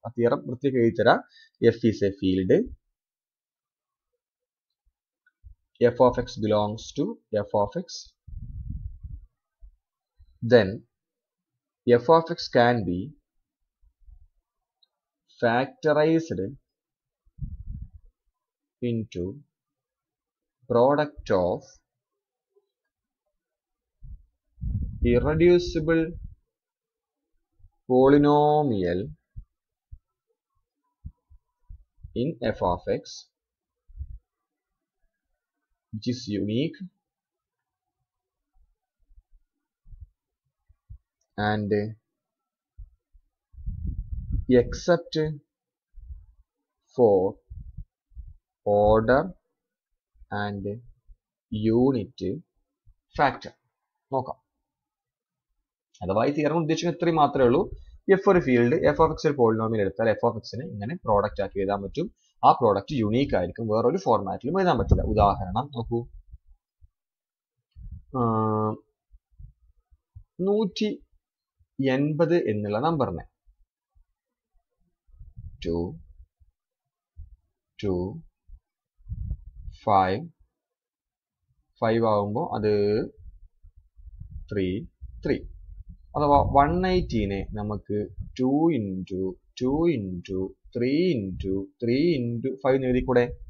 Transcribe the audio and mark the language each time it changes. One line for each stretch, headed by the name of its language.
Malayalam: ആ theorem വൃത്തിയൊക്കെ എഴുതിത്തരാം.
English: F is a field, F of X belongs to F of X, then F of X can be factorised into product of irreducible polynomial in f of x, which is unique, and except for order and unit factor.
Malayalam: നോക്കാം. അഥവാ ഈ theorem ഉദ്ദേശിക്കുന്നത് ഇത്രയും മാത്രമേ ഉള്ളൂ. F ഒരു field F of X ഒരു polynomial എടുത്താൽ എഫ് ഓഫ് എക്സിനെ ഇങ്ങനെ പ്രോഡക്റ്റ് ആക്കി എഴുതാൻ പറ്റും. ആ പ്രോഡക്റ്റ് യുണീക് ആയിരിക്കും, വേറൊരു ഫോർമാറ്റിലും എഴുതാൻ പറ്റില്ല. ഉദാഹരണം നോക്കൂ, 180 എന്നുള്ള നമ്പറിനെ 2 2 5 5 ആകുമ്പോൾ അത് 3 3, അഥവാ 180 നമുക്ക് 2 × 2 × 3 × 3 × 5 എഴുതി കൂടെ.